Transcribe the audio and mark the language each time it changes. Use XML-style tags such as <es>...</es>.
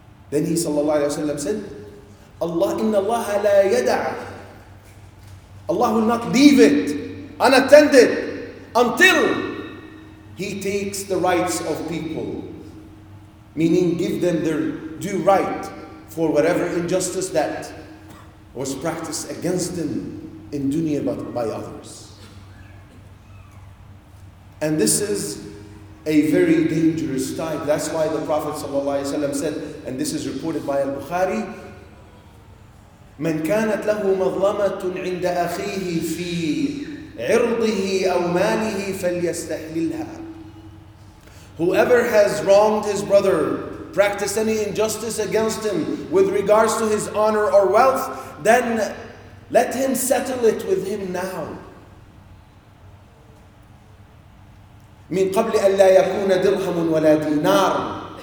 <en>Then he sallallahu alayhi wa sallam said, Allah will not leave it unattended until he takes the rights of people, meaning give them their due right for whatever injustice that was practiced against them in dunya by others. And this is a very dangerous type. That's why the Prophet ﷺ said, and this is reported by Al-Bukhari,</en> <ar>مَنْ كَانَتْ لَهُ مَظْلَمَةٌ عِنْدَ أَخِيهِ فِي عِرْضِهِ أَوْ مَالِهِ فَلْيَسْتَحْلِلْهَا.</ar> <en>Whoever has wronged his brother, practiced any injustice against him with regards to his honor or wealth, then let him settle it with him now.</en> <ar>مِنْ قَبْلِ أَلَّا يَكُونَ دِرْهَمٌ وَلَا دِينَارٌ.</ar>